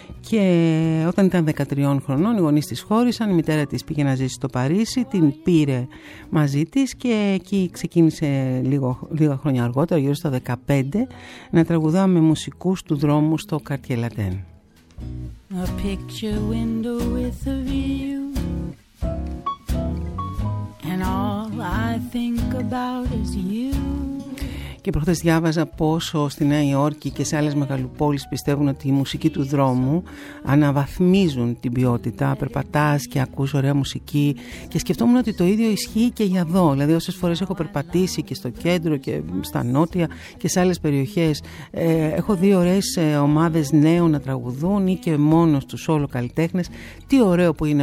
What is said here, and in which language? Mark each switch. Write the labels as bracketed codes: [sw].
[el] Και όταν ήταν 13 χρονών, οι γονείς της χώρισαν, η μητέρα της πήγε να ζήσει στο Παρίσι, την πήρε μαζί της και εκεί ξεκίνησε λίγα χρόνια αργότερα, γύρω στα 15, να τραγουδά με μουσικούς του δρόμου στο Cartier Latin. [en] A picture window with a view. And all I think about is you. [el] Και προχθές διάβαζα πόσο στη Νέα Υόρκη και σε άλλες μεγαλοπόλεις πιστεύουν ότι η μουσική του δρόμου αναβαθμίζουν την ποιότητα. Περπατάς και ακούς ωραία μουσική. Και σκεφτόμουν ότι το ίδιο ισχύει και για εδώ. Δηλαδή, όσες φορές έχω περπατήσει και στο κέντρο και στα νότια και σε άλλες περιοχές, έχω δει ωραίες ομάδες νέων να τραγουδούν ή και μόνος τους όλο καλλιτέχνες. Τι ωραίο που είναι.